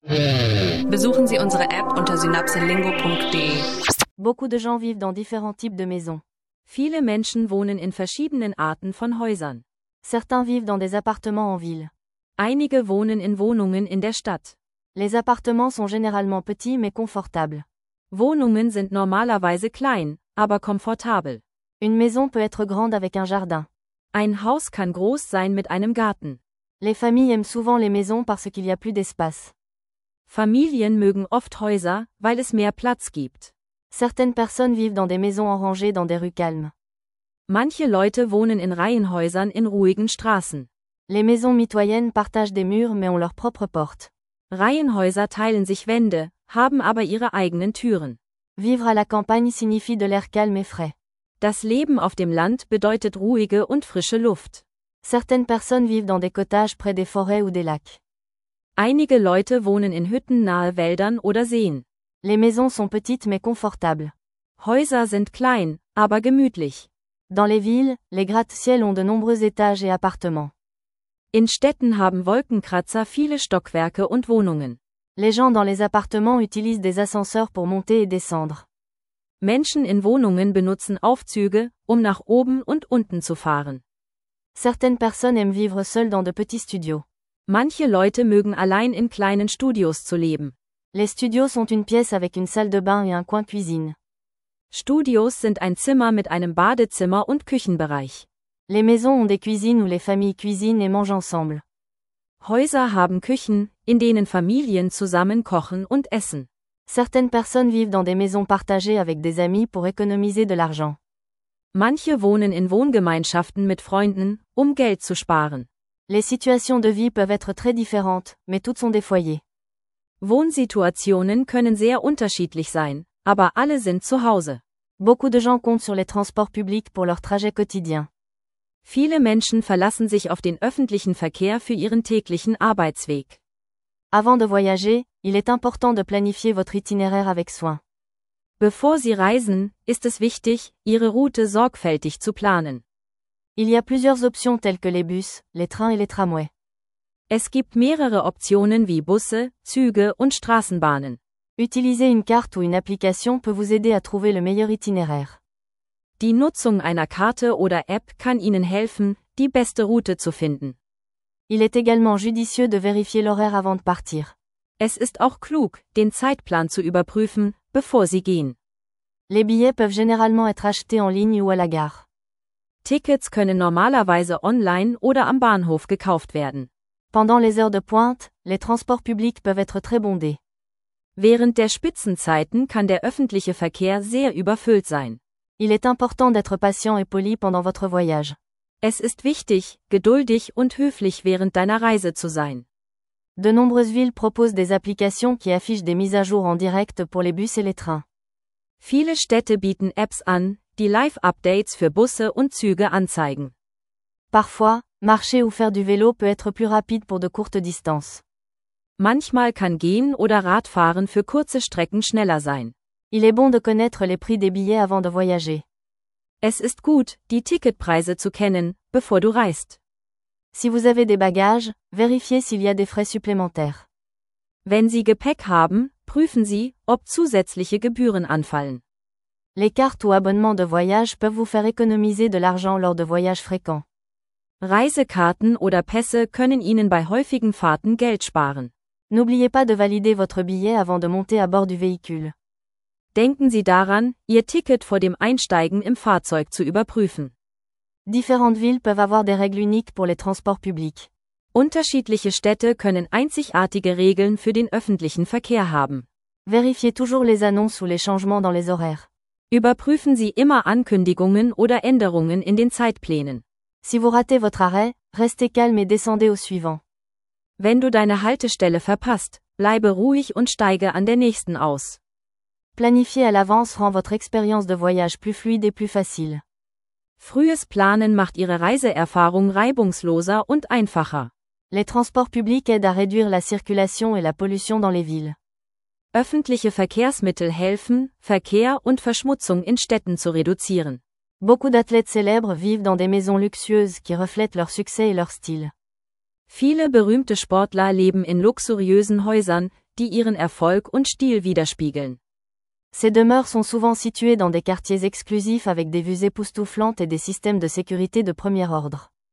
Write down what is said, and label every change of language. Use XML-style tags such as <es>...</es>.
<de>Besuchen Sie unsere App unter synapselingo.de.</de> <fr>Beaucoup de gens vivent dans différents types de maisons.</fr> <de>Viele Menschen wohnen in verschiedenen Arten von Häusern.</de> <fr>Certains vivent dans des appartements en ville.</fr> <de>Einige wohnen in Wohnungen in der Stadt.</de> <fr>Les appartements sont généralement petits mais confortables.</fr> <de>Wohnungen sind normalerweise klein, aber komfortabel.</de> <fr>Une maison peut être grande avec un jardin.</fr> <de>Ein Haus kann groß sein mit einem Garten.</de> <fr>Les familles aiment souvent les maisons parce qu'il y a plus d'espace.</fr> <de>Familien mögen oft Häuser, weil es mehr Platz gibt.</de> <fr>Certaines personnes vivent dans des maisons en rangées dans des rues calmes.</fr> <de>Manche Leute wohnen in Reihenhäusern in ruhigen Straßen.</de> <fr>Les maisons mitoyennes partagent des murs mais ont leur propre porte.</fr> <de>Reihenhäuser teilen sich Wände, haben aber ihre eigenen Türen.</de> <fr>Vivre à la campagne signifie de l'air calme et frais.</fr> <de>Das Leben auf dem Land bedeutet ruhige und frische Luft.</de> <fr>Certaines personnes vivent dans des cottages près des forêts ou des lacs.</fr> <de>Einige Leute wohnen in Hütten nahe Wäldern oder Seen.</de> <fr>Les maisons sont petites mais confortables.</fr> <de>Häuser sind klein, aber gemütlich.</de> <fr>Dans les villes, les gratte-ciels ont de nombreux étages et appartements.</fr> <de>In Städten haben Wolkenkratzer viele Stockwerke und Wohnungen.</de> <fr>Les gens dans les appartements utilisent des ascenseurs pour monter et descendre.</fr> <de>Menschen in Wohnungen benutzen Aufzüge, um nach oben und unten zu fahren.</de> <fr>Certaines personnes aiment vivre seules dans de petits studios.</fr> <de>Manche Leute mögen allein in kleinen Studios zu leben.</de> <fr>Les studios sont une pièce avec une salle de bain et un coin cuisine.</fr> <de>Studios sind ein Zimmer mit einem Badezimmer und Küchenbereich.</de> <fr>Les maisons ont des cuisines où les familles cuisinent et mangent ensemble.</fr> <de>Häuser haben Küchen, in denen Familien zusammen kochen und essen.</de> <fr>Certaines personnes vivent dans des maisons partagées avec des amis pour économiser de l'argent.</fr> <de>Manche wohnen in Wohngemeinschaften mit Freunden, um Geld zu sparen.</de> <fr>Les situations de vie peuvent être très différentes, mais toutes sont des foyers.</fr> <de>Wohnsituationen können sehr unterschiedlich sein, aber alle sind zu Hause.</de> <fr>Beaucoup de gens comptent sur les transports publics pour leur trajet quotidien.</fr> <de>Viele Menschen verlassen sich auf den öffentlichen Verkehr für ihren täglichen Arbeitsweg.</de> <fr>Avant de voyager, il est important de planifier votre itinéraire avec soin.</fr> <de>Bevor Sie reisen, ist es wichtig, Ihre Route sorgfältig zu planen.</de> <fr>Il y a plusieurs options telles que les bus, les trains et les tramways.</fr> <de>Es gibt mehrere Optionen wie Busse, Züge und Straßenbahnen.</de> <fr>Utiliser une carte ou une application peut vous aider à trouver le meilleur itinéraire.</fr> <de>Die Nutzung einer Karte oder App kann Ihnen helfen, die beste Route zu finden.</de> <fr>Il est également judicieux de vérifier l'horaire avant de partir.</fr> <de>Es ist auch klug, den Zeitplan zu überprüfen, bevor Sie gehen.</de> <fr>Les billets peuvent généralement être achetés en ligne ou à la gare.</fr> <de>Tickets können normalerweise online oder am Bahnhof gekauft werden.</de> <fr>Pendant les heures de pointe, les transports publics peuvent être très bondés.</fr> <de>Während der Spitzenzeiten kann der öffentliche Verkehr sehr überfüllt sein.</de> <fr>Il est important d'être patient et poli pendant votre voyage.</fr> <de>Es ist wichtig, geduldig und höflich während deiner Reise zu sein.</de> <fr>De nombreuses villes proposent des applications qui affichent des mises à jour en direct pour les bus et les trains.</fr> <de>Viele Städte bieten Apps an, die Live-Updates für Busse und Züge anzeigen.</de> <fr>Parfois, marcher ou faire du vélo peut être plus rapide pour de courtes distances.</fr> <de>Manchmal kann gehen oder Radfahren für kurze Strecken schneller sein.</de> <fr>Il est bon de connaître les prix des billets avant de voyager.</fr> <de>Es ist gut, die Ticketpreise zu kennen, bevor du reist.</de> <fr>Si vous avez des bagages, vérifiez s'il y a des frais supplémentaires.</fr> <de>Wenn Sie Gepäck haben, prüfen Sie, ob zusätzliche Gebühren anfallen.</de> <fr>Les cartes ou abonnements de voyage peuvent vous faire économiser de l'argent lors de voyages fréquents.</fr> <de>Reisekarten oder Pässe können Ihnen bei häufigen Fahrten Geld sparen.</de> <fr>N'oubliez pas de valider votre billet avant de monter à bord du véhicule.</fr> <de>Denken Sie daran, Ihr Ticket vor dem Einsteigen im Fahrzeug zu überprüfen.</de> <fr>Différentes villes peuvent avoir des règles uniques pour les transports publics.</fr> <de>Unterschiedliche Städte können einzigartige Regeln für den öffentlichen Verkehr haben.</de> <fr>Vérifiez toujours les annonces ou les changements dans les horaires.</fr> <de>Überprüfen Sie immer Ankündigungen oder Änderungen in den Zeitplänen.</de> <fr>Si vous ratez votre arrêt, restez calme et descendez au suivant.</fr> <de>Wenn du deine Haltestelle verpasst, bleibe ruhig und steige an der nächsten aus.</de> <fr>Planifier à l'avance rend votre expérience de voyage plus fluide et plus facile.</fr> <de>Frühes Planen macht Ihre Reiseerfahrung reibungsloser und einfacher.</de> <fr>Les transports publics aident à réduire la circulation et la pollution dans les villes.</fr> <de>Öffentliche Verkehrsmittel helfen, Verkehr und Verschmutzung in Städten zu reduzieren.</de> <fr>Beaucoup d'athlètes célèbres vivent dans des maisons luxueuses qui reflètent leur succès et leur style.</fr> <de>Viele berühmte Sportler leben in luxuriösen Häusern, die ihren Erfolg und Stil widerspiegeln.</de> <fr>Ces demeures sont souvent situées dans des quartiers exclusifs avec des vues époustouflantes et des systèmes de sécurité de premier ordre.</fr>